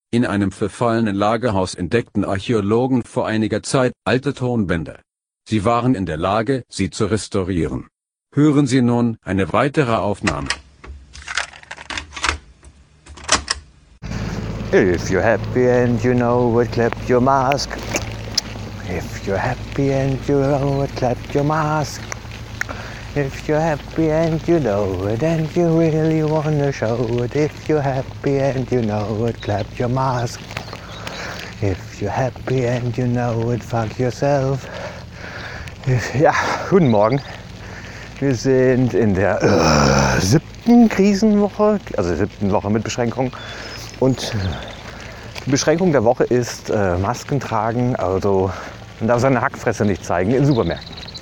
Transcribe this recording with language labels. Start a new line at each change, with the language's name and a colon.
German: In einem verfallenen Lagerhaus entdeckten Archäologen vor einiger Zeit alte Tonbänder. Sie waren in der Lage, sie zu restaurieren. Hören Sie nun eine weitere Aufnahme.
English: If you're happy and you know what, clap your mask. If you're happy and you know it, clap your mask. If you're happy and you know it, and you really wanna show it. If you're happy and you know it, clap your mask. If you're happy and you know it, fuck yourself.
German: Ja, guten Morgen. Wir sind in der siebten Krisenwoche, also siebten Woche mit Beschränkungen. Und die Beschränkung der Woche ist Masken tragen, also man darf seine Hackfresse nicht zeigen in Supermärkten.